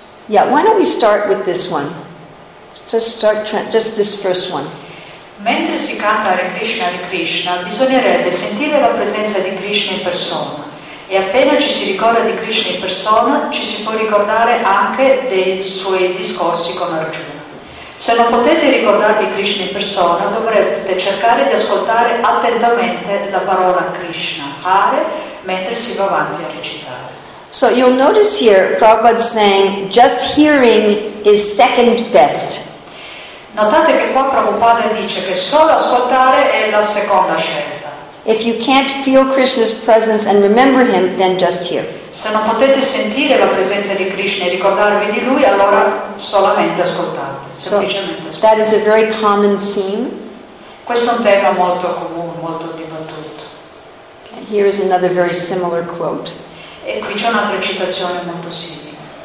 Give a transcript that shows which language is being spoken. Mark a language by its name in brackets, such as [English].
[English] Yeah, why don't we start with this one? Just this first one. [Italian] Mentre si canta Hare Krishna, bisognerebbe sentire la presenza di Krishna in persona. E appena ci si ricorda di Krishna in persona, ci si può ricordare anche dei suoi discorsi con Arjuna. Se non potete ricordarvi Krishna in persona, dovrete cercare di ascoltare attentamente la parola Krishna, Hare, mentre si va avanti a recitare. [English] So you'll notice here, Prabhupada saying, just hearing is second best. [Italian] Notate che qua Prabhupada dice che solo ascoltare è la seconda scelta. [English] If you can't feel Krishna's presence and remember him, then just hear. [Italian] Se non potete sentire la presenza di Krishna e ricordarvi di lui, allora solamente ascoltate. [English] So that is a very common theme. [Italian] Questo è un tema molto comune, molto dibattuto. [English] And here is another very similar quote. [Italian] E qui c'è un'altra citazione molto simile.